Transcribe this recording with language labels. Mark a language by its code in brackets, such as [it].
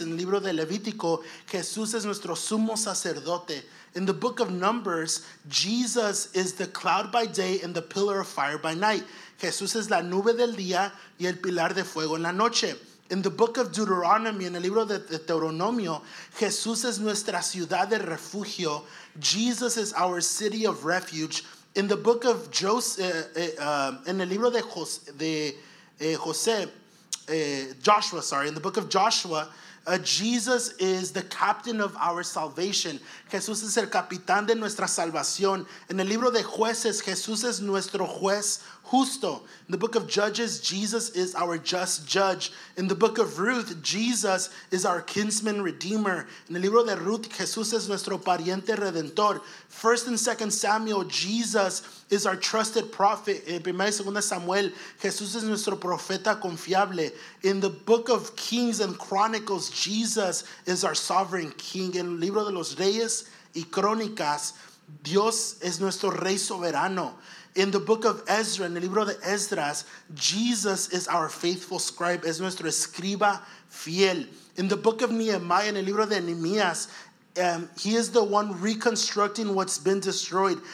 [es] En el libro de Levítico, Jesús es nuestro sumo sacerdote. [en] In the book of Numbers, Jesus is the cloud by day and the pillar of fire by night. [es] Jesús es la nube del día y el pilar de fuego en la noche. [en] In the book of Deuteronomy, [es] en el libro de Deuteronomio, Jesús es nuestra ciudad de refugio. [en] Jesus is our city of refuge. In the book of Joseph, [es] en el libro Joshua, [en] Jesus is the captain of our salvation. [es] Jesús es el capitán de nuestra salvación. En el libro de Jueces, Jesús es nuestro juez justo. [en] In the book of Judges, Jesus is our just judge. In the book of Ruth, Jesus is our kinsman redeemer. [es] En el libro de Ruth, Jesús es nuestro pariente redentor. [en] First and Second Samuel, Jesus is our trusted prophet. [es] En primera y segunda Samuel, Jesús es nuestro profeta confiable. [en] In the book of Kings and Chronicles, Jesus is our sovereign king. [es] En el libro de los Reyes y Crónicas, Dios es nuestro rey soberano. [en] In the book of Ezra, [es] en el libro de Esdras, [en] Jesus is our faithful scribe, [es] es nuestro escriba fiel. [en] In the book of Nehemiah, [es] en el libro de Nehemías, [en] he is the one reconstructing what's been destroyed.